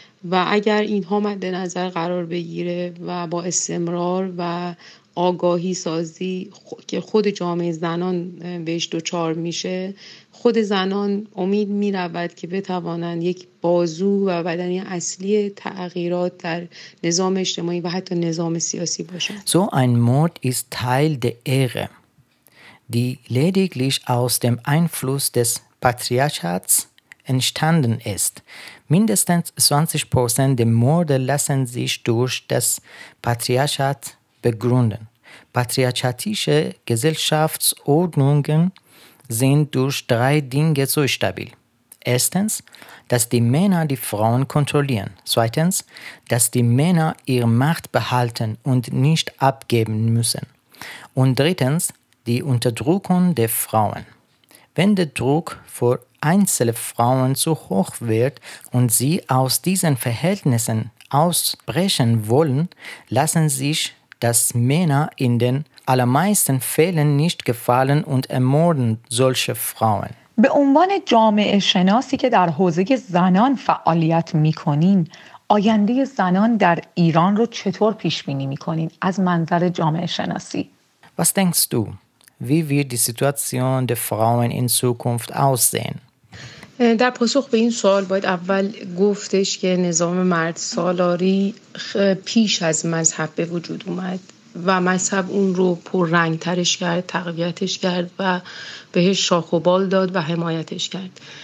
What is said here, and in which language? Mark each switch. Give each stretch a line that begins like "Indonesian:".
Persian: و اگر اینها مد نظر قرار بگیره و با استمرار و آگاهی سازی که خود جامعه زنان بهش دوچار میشه، خود زنان امید میرود که بتوانند یک بازو و بدنی اصلی تغییرات در نظام اجتماعی و حتی نظام سیاسی باشند.
German: So ein Mord ist Teil der Ehre, die lediglich aus dem Einfluss des Patriarchats entstanden ist. Mindestens 20% der Morde lassen sich durch das Patriarchat begründen. Patriarchatische Gesellschaftsordnungen sind durch drei Dinge so stabil. Erstens, dass die Männer die Frauen kontrollieren. Zweitens, dass die Männer ihre Macht behalten und nicht abgeben müssen. Und drittens, die Unterdrückung der Frauen. Wenn der Druck für einzelne Frauen zu hoch wird und sie aus diesen Verhältnissen ausbrechen wollen, lassen sich dass Männer in den allermeisten Fällen nicht gefallen und ermorden solche Frauen.
Persian: به عنوان جامعه شناسی که در حوزه زنان فعالیت میکنین، آینده زنان در ایران رو چطور پیش بینی میکنین از منظر جامعه شناسی؟
German: Was denkst du, wie wird die Situation der Frauen in Zukunft aussehen?
Persian: در پاسخ به این سوال باید اول گفتش که نظام مرد سالاری پیش از مذهب به وجود اومد و مذهب اون رو پررنگترش کرد، تقویتش کرد و بهش شاخ و بال داد و حمایتش کرد.